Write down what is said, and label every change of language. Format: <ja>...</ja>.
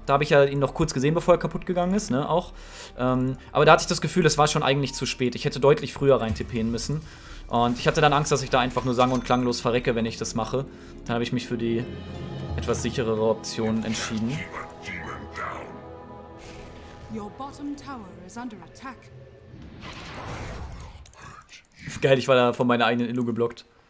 <de>Da habe ich ja ihn noch kurz gesehen, bevor er kaputt gegangen ist, ne, auch. Aber da hatte ich das Gefühl, es war schon eigentlich zu spät. Ich hätte deutlich früher rein TP'en müssen. Und ich hatte dann Angst, dass ich da einfach nur sang- und klanglos verrecke, wenn ich das mache. Dann habe ich mich für die etwas sicherere Option entschieden.</de> <en>Your bottom tower is under attack.</en> <de>Geil, ich war da von meiner eigenen Illu geblockt.</de>